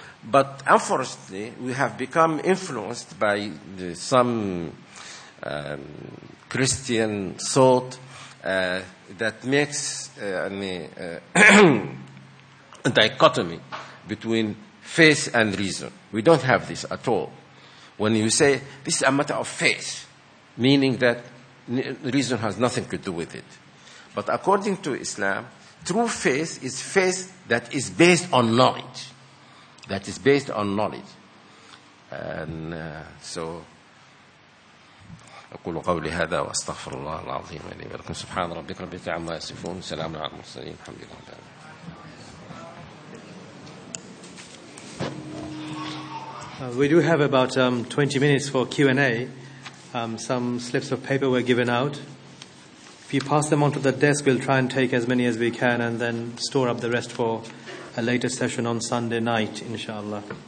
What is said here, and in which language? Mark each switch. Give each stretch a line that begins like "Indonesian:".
English: But unfortunately, we have become influenced by some Christian thought that makes a dichotomy between faith and reason. We don't have this at all. When you say, this is a matter of faith, meaning that reason has nothing to do with it. But according to Islam, true faith is faith that is based on knowledge. That is based on knowledge. And so,
Arabic: أقول قولي هذا وأستغفر الله العظيم لي ولكم سبحان ربك رب العزة عما يصفون سلام على المرسلين الحمد لله.
English: We do have about 20 minutes for Q&A. Some slips of paper were given out. If you pass them onto the desk, we'll try and take as many as we can and then store up the rest for a later session on Sunday night, inshallah.